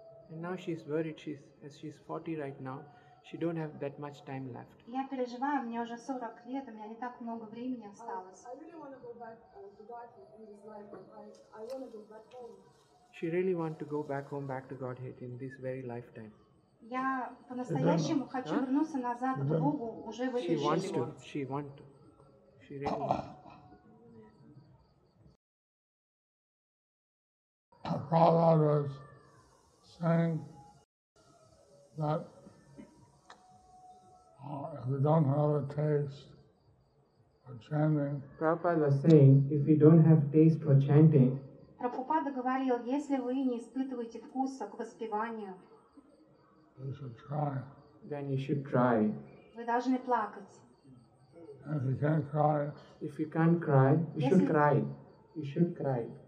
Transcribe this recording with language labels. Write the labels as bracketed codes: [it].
[en] And now she's worried, she's 40 right now, she don't have that much time left. [ru] Я переживаю, мне уже 40 лет, у меня не так много времени осталось. [en] I really want to go back to God in this life. I want to go back home. She really want to go back home, back to Godhead in this very lifetime. [ru] Я по-настоящему хочу вернуться назад к Богу уже в этой жизни. [en] She wants to. She wants to. She really wants to. Prabhupada was saying that if we don't have a taste for chanting, Prabhupada [ru] говорил, если вы не испытываете вкуса к воспеванию, [en] you should try. Then you should try. [ru] Вы должны плакать. [en] And if you can't cry, you should cry.